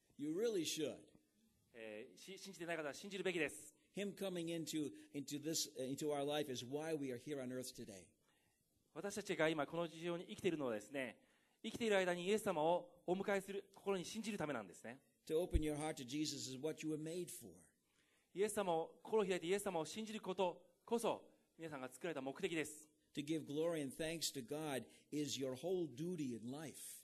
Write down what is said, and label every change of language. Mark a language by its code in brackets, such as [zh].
[en] You really should. [ja] 信じてない方は信じるべきです。 [en] Him coming into our life is why we are here on earth today. [ja] 私たちが今この地上に生きているのはですね、生きている間にイエス様をお迎えする心に信じるためなんですね。 [en] To open your heart to Jesus is what you were made for. [ja] イエス様を心を開いてイエス様を信じることこそ皆さんが作られた目的です。 [en] To give glory and thanks to God is your whole duty in life.